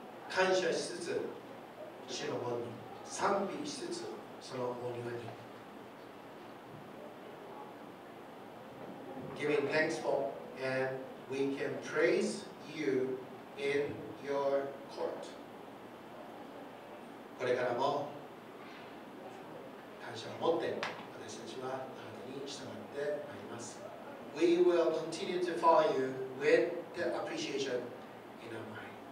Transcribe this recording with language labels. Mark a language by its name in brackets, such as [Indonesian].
[Japanese] 感謝しつつ、主の門に賛美しつつ、その門に。 [English] Giving thanks for, and we can praise you in your court. [Japanese] これからも感謝を持って、私たちはあなたに従ってまいります。 [English] We will continue to follow you with the appreciation in our mind.